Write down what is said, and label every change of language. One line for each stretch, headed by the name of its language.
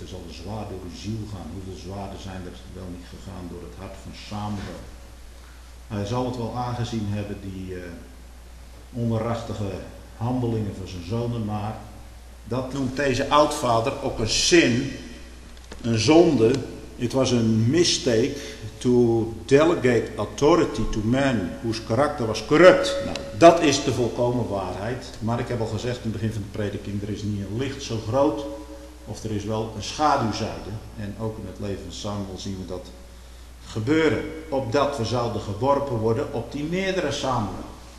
Dutch: Er zal zwaar door uw ziel gaan. Hoeveel zwaarden zijn er wel niet gegaan door het hart van Samuel? Hij zal het wel aangezien hebben, die onrechtige handelingen van zijn zonen, maar dat noemt deze oudvader ook een zin, een zonde.
English: It was a mistake to delegate authority to men whose character was corrupt.
Dutch: Nou, dat is de volkomen waarheid. Maar ik heb al gezegd in het begin van de prediking, er is niet een licht zo groot, of er is wel een schaduwzijde. En ook in het leven van Samuel zien we dat gebeuren. Opdat we zouden geworpen worden op die meerdere Samuel.